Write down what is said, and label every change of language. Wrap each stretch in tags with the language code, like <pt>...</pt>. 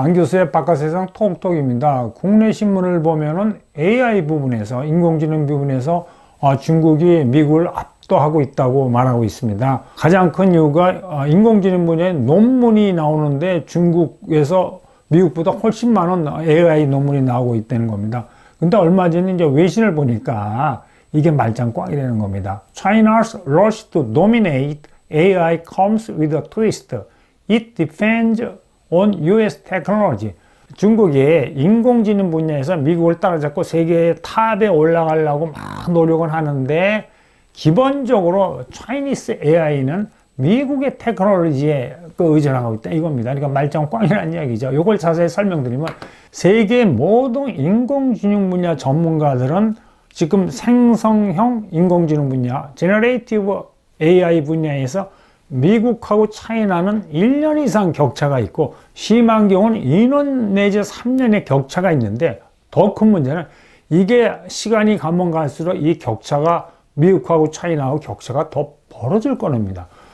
<ko>안 교수의 바깥세상 톡톡입니다. 국내 신문을 보면은 AI 부분에서, 인공지능 부분에서 중국이 미국을 압도하고 있다고 말하고 있습니다. 가장 큰 이유가 인공지능 분야에 논문이 나오는데 중국에서 미국보다 훨씬 많은 AI 논문이 나오고 있다는 겁니다. 근데 얼마 전에 이제 외신을 보니까 이게 말장꽝이 되는 겁니다.</ko> <en>China's rush to dominate AI comes with a twist. It depends on US technology.</en> <ko>중국이 인공지능 분야에서 미국을 따라잡고 세계 탑에 올라가려고 막 노력을 하는데, 기본적으로 Chinese AI는 미국의 테크놀로지에 의존하고 있다 이겁니다. 그러니까 말장꽝이라는 이야기죠. 이걸 자세히 설명드리면, 세계 모든 인공지능 분야 전문가들은 지금 생성형 인공지능 분야, Generative AI 분야에서 미국하고 차이나는 1년 이상 격차가 있고, 심한 경우는 2년 내지 3년의 격차가 있는데, 더큰 문제는 이게 시간이 가면 갈수록 이 격차가, 미국하고 차이나하고 격차가 더 벌어질 겁니다.</ko>